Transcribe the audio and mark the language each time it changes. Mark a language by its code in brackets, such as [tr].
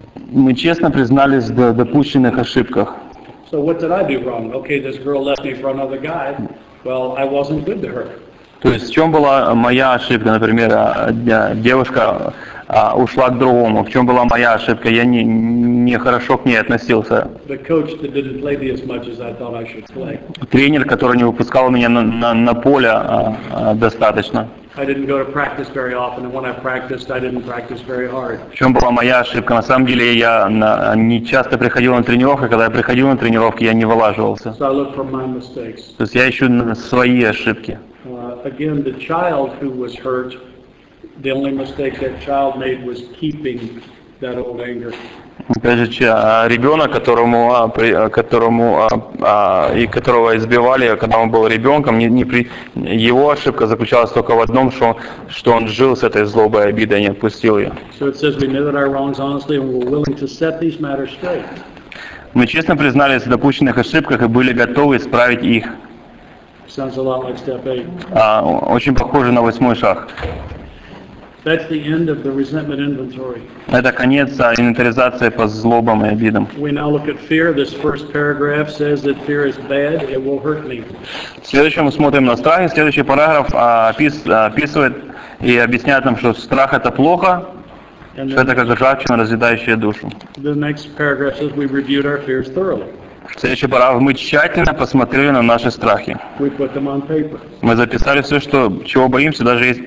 [ru] Мы честно признались в допущенных ошибках. [en] So what did I do wrong? Okay, this girl left me for another guy. Well, I wasn't good to her. [ru] То есть в чем была моя ошибка, например, девушка ушла к другому. В чем была моя ошибка? Я не хорошо к ней относился. [en] The coach that didn't play me as much as I thought I should play. [ru] Тренер, который не выпускал меня на поле достаточно. [en] I didn't go to practice very often, and when I practiced, I didn't practice very hard. [ru] В чем была моя ошибка? На самом деле я не часто приходил на тренировки, когда я приходил на тренировки, я не вылаживался. [en] So I look for my mistakes. [ru] То есть я ищу свои ошибки. [en] Again, the child who was hurt, the only mistake that child made was keeping that old anger. [ru] Опять же, ребенок, которого избивали, когда он был ребенком, его ошибка заключалась только в одном, что он жил с этой злобой, обидой, не отпустил ее. [en] So it says we admitted our wrongs honestly and were willing to set these matters straight. [ru] Мы честно признались в допущенных ошибках и были готовы исправить их. [en] Sounds a lot like step 8. [ru] Очень похоже на восьмой шаг. [en] That's the end of the resentment inventory. [ru] Это конец инвентаризации по злобам и обидам. [en] We now look at fear. This first paragraph says that fear is bad. It will hurt me. [ru] Следующее мы смотрим на страх. Следующий параграф описывает и объясняет нам, что страх это плохо, что это как ржавчина, разъедающая душу. [en] The next paragraph says we reviewed our fears thoroughly. [ru] В следующий параграф мы тщательно посмотрели на наши страхи. Мы записали все, чего боимся, даже